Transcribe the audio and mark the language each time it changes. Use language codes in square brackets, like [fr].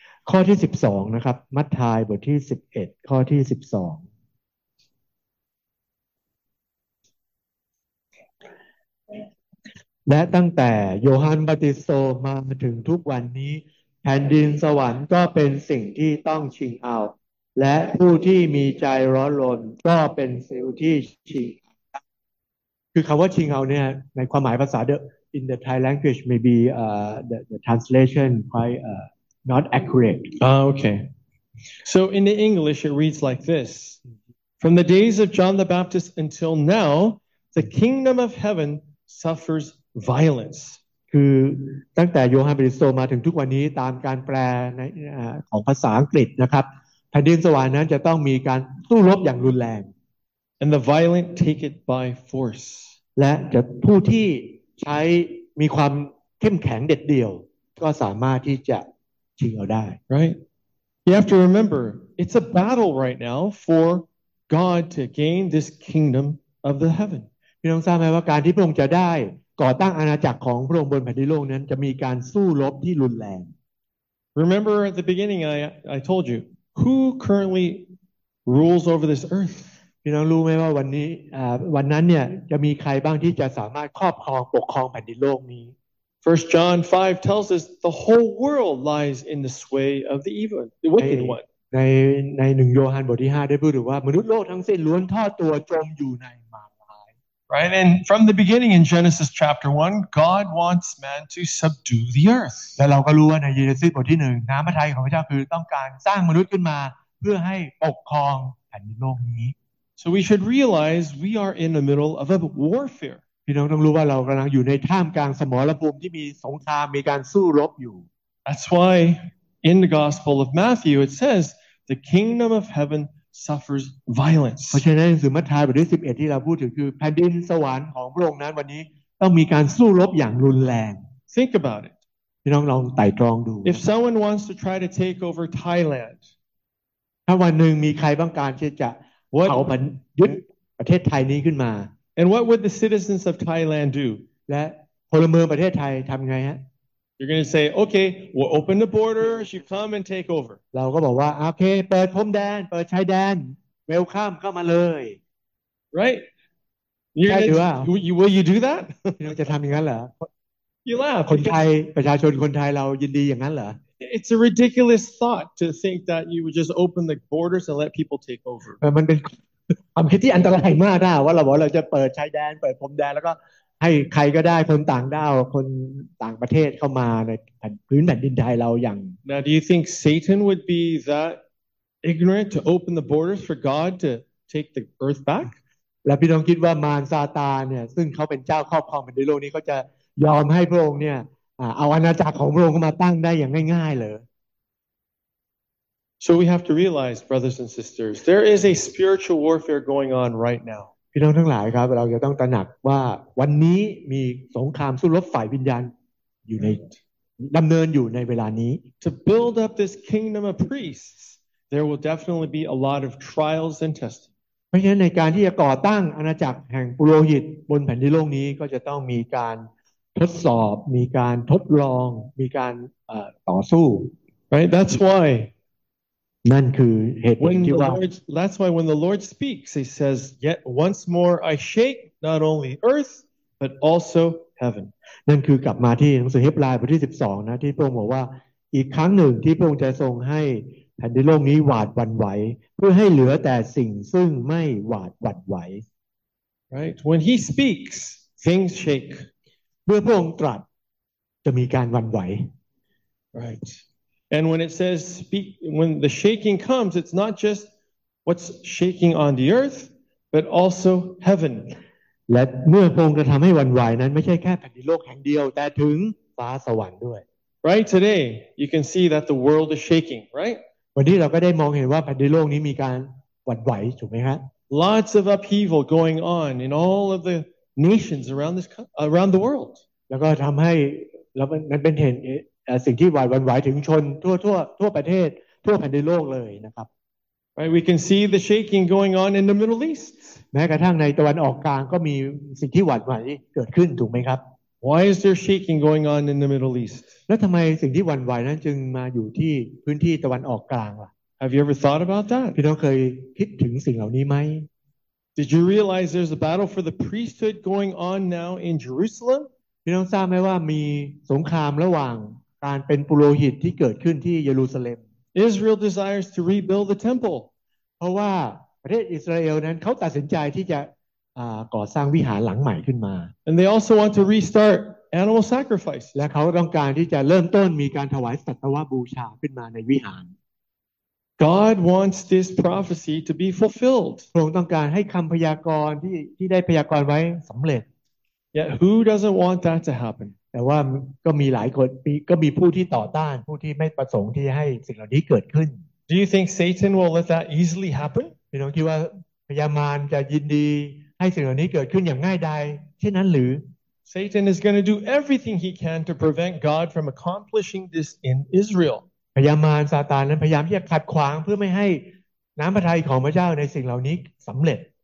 [th] ข้อที่12นะครับมัทธายบทที่11ข้อที่12และตั้งแต่โยฮันบัติสโตมาถึงทุกวันนี้แผ่นดินสวรรค์ก็เป็นสิ่งที่ต้องชิงเอา และผู้ที่มีใจร้อนรนก็เป็นสิ่งที่ชิงคือคำว่าชิงเอาเนี่ยในความหมายภาษา [en] in the Thai language maybe the translation quite not accurate okay so in the English it reads like this from the days of John the Baptist until now the kingdom of heavensuffers violence [th] คือตั้งแต่โยฮันบัติสโตมาถึงทุกวันนี้ตามการแปลในของภาษาอังกฤษนะครับแผ่นดินสวรรค์นั้นจะต้องมีการสู้รบอย่างรุนแรง [en] and the violent take it by force [th] และจะผู้ที่ใช้มีความเข้มแข็งเด็ดเดี่ยวก็สามารถที่จะชิงเอาได้ [en] right you have to remember it's a battle right now for God to gain this kingdom of the heaven [th] พี่น้องทราบไหมว่าการที่พระองค์จะได้ก่อตั้งอาณาจักรของพระองค์บนแผ่นดินโลกนั้นจะมีการสู้รบที่รุนแรง [en] Remember at the beginning I told you who currently rules over this earth [th] พี่น้องรู้ไหมว่าวันนี้วันนั้นเนี่ยจะมีใครบ้างที่จะสามารถครอบครองปกครองแผ่นดินโลกนี้ [en] First John 5 tells us the whole world lies in the sway of the evil the wicked one [th] ใน1โยฮันบทที่5ได้พูดถึงว่ามนุษย์โลกทั้งสิ้นล้วนทอดตัวจมอยู่ใน [en] Right, and from the beginning in Genesis chapter 1, God wants man to subdue the earth. [th] และเราก็รู้ว่าในเยเนซิสบทที่1น้ำพระทัยของพระเจ้าคือต้องการสร้างมนุษย์ขึ้นมาเพื่อให้ปกครองแผ่นดินโลกนี้ [en] So we should realize we are in the middle of a warfare. [th] พี่น้องต้องรู้ว่าเรากำลังอยู่ในท่ามกลางสมรภูมิที่มีสงครามมีการสู้รบอยู่ [en] That's why in the Gospel of Matthew it says the kingdom of heavensuffers violence [th] เพราะฉะนั้นหนังสือมัทธายบทที่11ที่เราพูดถึงคือแผ่นดินสวรรค์ของพระองค์นั้นวันนี้ต้องมีการสู้รบอย่างรุนแรง [en] Think about it [th] พี่น้องลองไต่ตรองดู [en] If someone wants to try to take over Thailand [th] ถ้าวันหนึ่งมีใครบ้างการที่จะเขามันยึดประเทศไทยนี้ขึ้นมา [en] And what would the citizens of Thailand do [th] และพลเมืองประเทศไทยทำไงฮะ [en] You're going to say, okay, we'll open the border. You come and take over. [th] เราก็บอกว่าโอเคเปิดพรมแดนเปิดชายแดน Welcome เข้ามาเลย [en] Right? [th] ใช่หรือว่า [en] Will you do that? [th] จะทำอย่างนั้นเหรอ [en] You laugh. [th] คนไทยประชาชนคนไทยเรายินดีอย่างนั้นเหรอ [en] It's a ridiculous thought to think that you would just open the borders and let people take over. [th] มันเป็นความคิดที่อันตรายมากนะว่าเราบอกเราจะเปิดชายแดนเปิดพรมแดนแล้วก็ให้ใครก็ได้คนต่างด้าวคนต่างประเทศเข้ามาในพื้นแผ่นดินไทยเราอย่าง [en] Now do you think Satan would be that ignorant to open the borders for God to take the earth back? [th] แล้วพี่น้องคิดว่ามารซาตานเนี่ยซึ่งเขาเป็นเจ้าครอบครองแผ่นดินโลกนี้เขาจะยอมให้พระองค์เนี่ยเอาอาณาจักรของพระองค์มาตั้งได้อย่างง่ายๆเลย [en] So we have to realize, brothers and sisters, there is a spiritual warfare going on right now. [th] พี่น้องทั้งหลายครับเราจะต้องตระหนักว่าวันนี้มีสงครามสู้รบฝ่ายวิญญาณอยู่ในดำเนินอยู่ในเวลานี้ [en] To build up this kingdom of priests, there will definitely be a lot of trials and testing. [th] เพราะฉะนั้นในการที่จะก่อตั้งอาณาจักรแห่งปุโรหิตบนแผ่นดินโลกนี้ก็จะต้องมีการทดสอบมีการทดลองมีการต่อสู้ [en] right that's why [th] นั่นคือเหตุผลที่ว่า [en] that's why when the Lord speaks he says yet once more I shake not only earth but also heaven [th] นั่นคือกลับมาที่หนังสือเฮบรายบทที่12นะที่พระองค์บอกว่าอีกครั้งหนึ่งที่พระองค์จะทรงให้แผ่นดินโลกนี้หวาดหวั่นไหวเพื่อให้เหลือแต่สิ่งซึ่งไม่หวาดหวั่นไหว [en] right when he speaks things shake [th] เมื่อพระองค์ตรัสจะมีการหวั่นไหว [en] right and when it says speak when the shaking comes it's not just what's shaking on the earth but also heaven [th] และเมื่อพระองค์จะทำให้หวั่นไหวนั้นไม่ใช่แค่แผ่นดินโลกแห่งเดียวแต่ถึงฟ้าสวรรค์ด้วย [en] right today you can see that the world is shaking right [th] วันนี้เราก็ได้มองเห็นว่าแผ่นดินโลกนี้มีการหวั่นไหวถูกไหมฮะ [en] lots of upheaval going on in all of thenations around this around the world [th] แล้วก็ทําให้แล้วมันเป็นเห็นสิ่งที่หวาดหวั่นไหวถึงชนทั่วประเทศทั่วแผ่นดินโลกเลยนะครับ [en] Right we can see the shaking going on in the Middle East [th] แม้กระทั่งในตะวันออกกลางก็มีสิ่งที่หวาดหวั่นเกิดขึ้นถูกมั้ยครับ [en] Why is there shaking going on in the Middle East [th] แล้วทําไมสิ่งที่หวั่นไหวนั้นจึงมาอยู่ที่พื้นที่ตะวันออกกลางล่ะ [en] Have you ever thought about that [th] พี่น้องเคยคิดถึงสิ่งเหล่านี้มั้ย [en] Did you realize there's a battle for the priesthood going on now in Jerusalem? [th] พี่น้องทราบไหมว่ามีสงครามระหว่างการเป็นปุโรหิตที่เกิดขึ้นที่เยรูซาเล็ม [en] Israel desires to rebuild the temple. [th] เพราะว่าประเทศอิสราเอลนั้นเขาตัดสินใจที่จะก่อสร้างวิหารหลังใหม่ขึ้นมา [en] And they also want to restart animal sacrifice. [th] และเขาต้องการที่จะเริ่มต้นมีการถวายสัตวบูชาขึ้นมาในวิหาร [en] God wants this prophecy to be fulfilled. [th] พระองค์ต้องการให้คำพยากรณ์ที่ได้พยากรณ์ไว้สำเร็จ [en] Yet who doesn't want that to happen? [th] แต่ว่าก็มีหลายคนก็มีผู้ที่ต่อต้านผู้ที่ไม่ประสงค์ที่ให้สิ่งเหล่านี้เกิดขึ้น [en] Do you think Satan will let that easily happen? [th] พี่น้องคิดว่าพญามารจะยินดีให้สิ่งเหล่านี้เกิดขึ้นอย่างง่ายดายเช่นนั้นหรือ [en] Satan is going to do everything he can to prevent God from accomplishing this in Israel. [th] พญามารซาตานนั้นพยายามที่จะขัดขวางเพื่อไม่ให้น้ำพระทัยของพระเจ้าในสิ่งเหล่านี้สำเร็จ